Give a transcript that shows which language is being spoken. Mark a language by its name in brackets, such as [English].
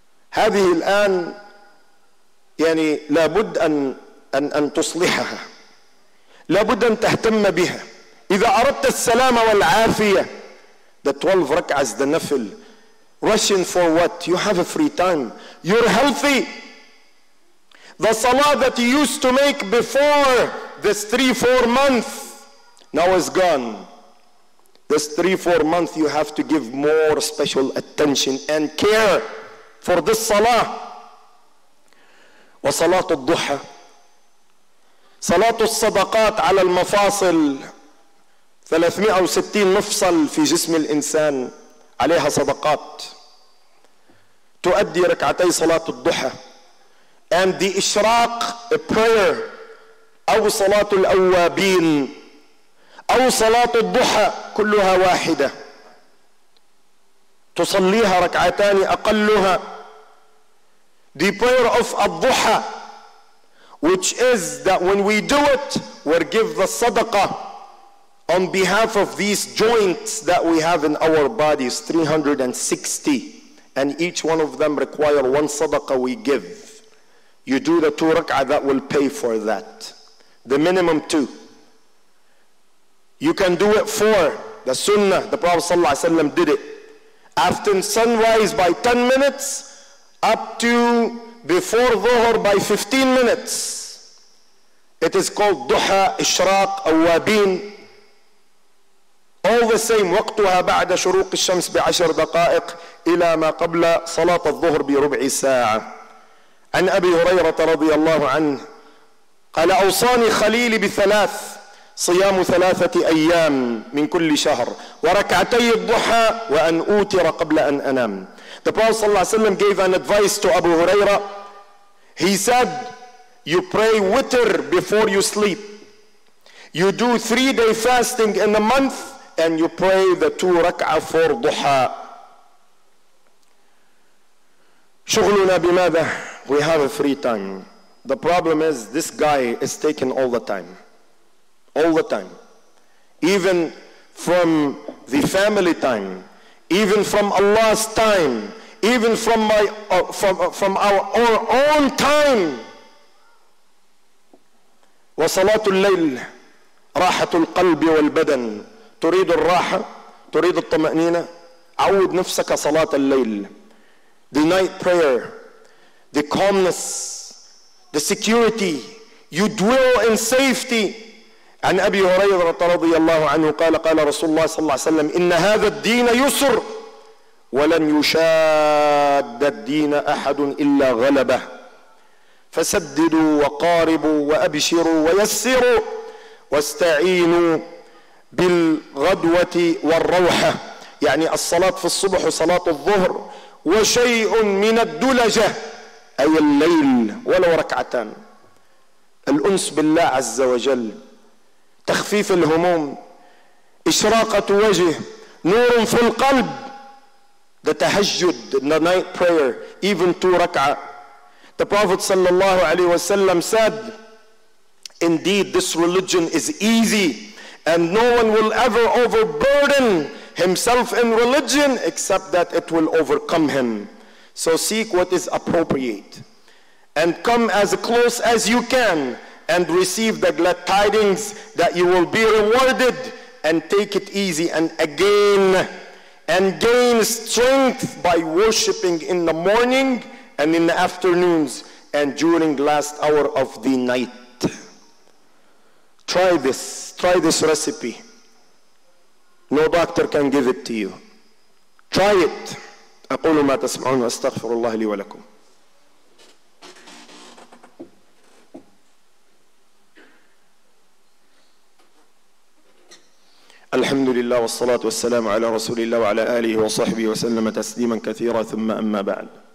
[Arabic] هذه الآن يعني لابد أن تصلحها. لابد أن تهتم بها. إذا أردت السلام والعافية the 12 ركعات the نفل [English] rushing for what? You have a free time. You're healthy. The salah that you used to make before this 3-4 month now is gone. This 3-4 month you have to give more special attention and care for this salah. [Arabic] وصلاة الضحى صلاة الصدقات على المفاصل 360 مفصل في جسم الإنسان عليها صدقات تؤدي ركعتي صلاة الضحى. [English] And the [Arabic] إشراق [English] a prayer [Arabic] أو صلاة الأوابين أو صلاة الضحى كلها واحدة تصليها ركعتان أقلها. [English] The prayer of Ad-Duha, which is that when we do it, we'll give the sadaqah on behalf of these joints that we have in our bodies, 360. And each one of them require one sadaqah we give. You do the 2 rak'ah that will pay for that. The minimum 2. You can do it 4. The sunnah, the Prophet sallallahu alaihi wasallam did it. After sunrise by 10 minutes, up to before dhuhr by 15 minutes. It is called duha, ishraq, awabin. All the same, [Arabic] waqtuha ba'da shuruq al-shams bi'ashar daqa'iq ila ma qabla salat al-dhuhr bi rub'i sa'a. An Abi Hurayra radiyallahu anhu qala awsani khalili bi thalath صيام ثلاثة أيام من كل شهر وركعتي الضحى وأن أوتر قبل أن أنام. [English] The Prophet [Arabic] صلى الله عليه وسلم [English] gave an advice to Abu Huraira. He said, you pray witr before you sleep. You do 3-day fasting in a month and you pray the 2 rak'ah for duha. [Arabic] شغلنا بماذا? [English] We have a free time. The problem is this guy is taking all the time. All the time, even from the family time, even from Allah's time, even from my from our own time. [Arabic] وصلاة الليل راحة القلب والبدن. تريد الراحة, تريد الطمأنينة, عود نفسك صلاة الليل. The night prayer, the calmness, the security. You dwell in safety. عن أبي هريرة رضي الله عنه قال قال رسول الله صلى الله عليه وسلم إن هذا الدين يسر ولن يشاد الدين أحد إلا غلبه فسددوا وقاربوا وأبشروا ويسروا واستعينوا بالغدوة والروحة. يعني الصلاة في الصبح وصلاة الظهر وشيء من الدلجة أي الليل ولو ركعتان الأنس بالله عز وجل. تخفيف الهموم، إشراقة وجه، نور في القلب. [English] The tahajjud, the night prayer, even two rak'ah. The Prophet sallallahu alayhi wasallam said, indeed this religion is easy and no one will ever overburden himself in religion except that it will overcome him. So seek what is appropriate and come as close as you can and receive the glad tidings that you will be rewarded, and take it easy and again and gain strength by worshiping in the morning and in the afternoons and during last hour of the night. Try this recipe. No doctor can give it to you. Try it. [Arabic] أقول ما تسمعون وأستغفر الله لي ولكم. الحمد لله والصلاة والسلام على رسول الله وعلى آله وصحبه وسلم تسليما كثيرا، ثم أما بعد،